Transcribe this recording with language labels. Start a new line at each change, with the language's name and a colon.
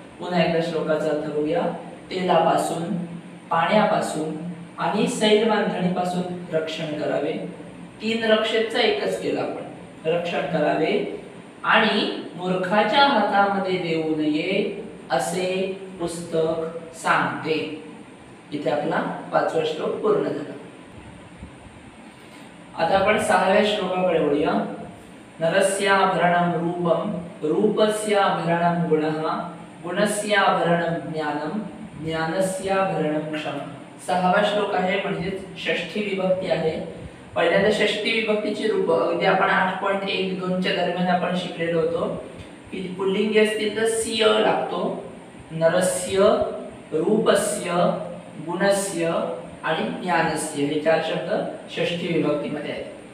Marathi: पुन्हा एकदा श्लोकाचा अर्थ बघूया, तेलापासून पाण्यापासून आणि सैल बांधणीपासून रक्षण करावे, तीन रक्षेचा एकच केला आपण, रक्षण करावे आणि मूर्खाच्या हातामध्ये देऊ नये असे पुस्तक सांगते। इथे आपला पाचवा श्लोक पूर्ण झाला. आता आपण सहाव्या श्लोकाकडे वळूया.
Sanskrit: नरस्याभरणं रूपं रूपस्याभरणं गुणः गुणस्याभरणं ज्ञानं ज्ञानस्याभरणं क्षमः.
Marathi: सहावा श्लोक आहे म्हणजे षष्ठी विभक्ती आहे. पहिल्यांदा षष्ठी विभक्तीचे रूप अगदी आपण 8.12 च्या दरम्यान आपण शिकलेलो होतो की पुल्लिंगी असतील तर सिय लागतो, नरस्य रूपस्य गुणस्य आणि ज्ञानस्य हे चार शब्द षष्ठी विभक्तीमध्ये आहेत.